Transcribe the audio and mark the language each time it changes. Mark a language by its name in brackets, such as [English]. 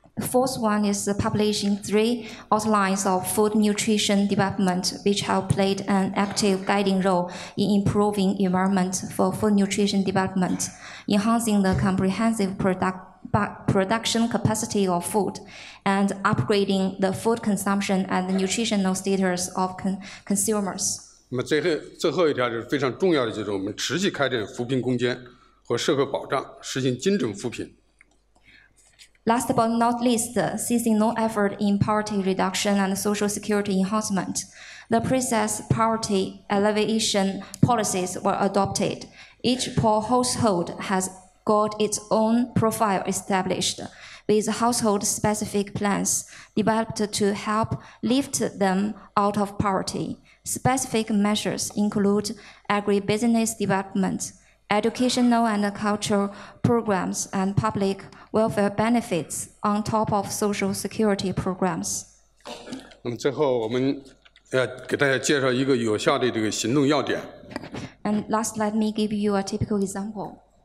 [English] Fourth one is publishing three outlines of food nutrition development, which have played an active guiding role in improving environment for food nutrition development, enhancing the comprehensive production capacity of food, and upgrading the food consumption and the nutritional status of consumers. [Chinese] 那么最后一条就是非常重要的，就是我们持续开展扶贫攻坚和社会保障，实行精准扶贫。 [English] Last but not least, ceasing no effort in poverty reduction and social security enhancement. The precise poverty alleviation policies were adopted. Each poor household has got its own profile established, with household-specific plans developed to help lift them out of poverty. Specific measures include agribusiness development, educational and cultural programs, and public welfare benefits on top of social security programs. [Chinese] 那么最后，我们要给大家介绍一个有效的这个行动要点。 [English] And last, let me give you a typical example.